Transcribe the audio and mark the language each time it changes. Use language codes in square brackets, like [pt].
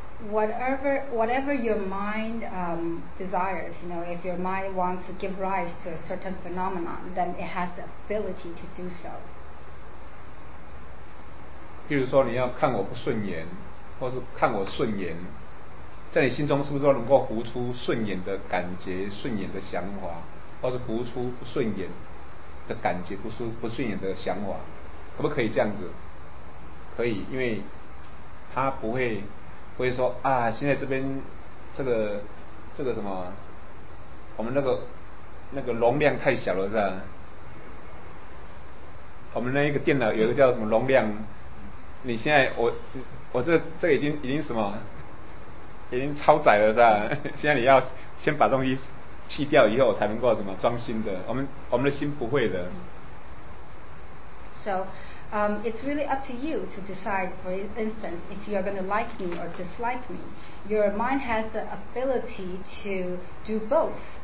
[en] Whatever your mind desires, you know, if your mind wants to give rise to a certain phenomenon, then it has the ability to do so. [zh] 譬如说你要看我不顺眼，或是看我顺眼，在你心中是不是都能够浮出顺眼的感觉、顺眼的想法，或是浮出不顺眼的感觉、不顺眼的想法，可不可以这样子？可以，因为他不会说啊，现在这边这个什么，我们那个容量太小了是吧？我们那一个电脑有一个叫什么容量，你现在我这个已经什么？已经超载了是吧？现在你要先把东西去掉以后才能够什么装新的，我们的心不会的。 [en] So, it's really up to you to decide, for instance, if you are going to like me or dislike me. Your mind has the ability to do both.